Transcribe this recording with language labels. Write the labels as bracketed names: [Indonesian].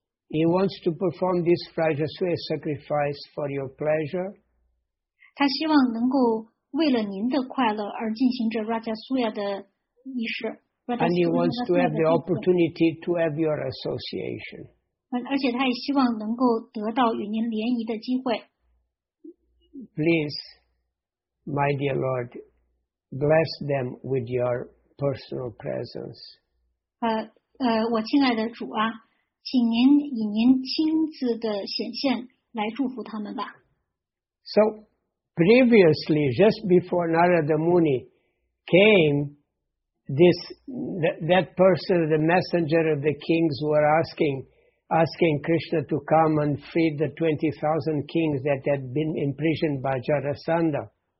[English] He wants to perform this Rajasuya sacrifice for your pleasure. [Chinese] 他希望能够为了您的快乐而进行着 Rajasuya 的仪式。 [English] And he wants to have the opportunity to have your association. [Chinese] 而且他也希望能够得到与您联谊的机会。 [English] Please, my dear Lord, bless them with your personal presence. [Chinese] 我亲爱的主啊, 请您以您亲自的显现来祝福他们吧。 [English] So, previously, just before Narada Muni came, that person, the messenger of the kings, were asking Krishna to come and free the 20,000 kings that had been imprisoned by Jarasandha.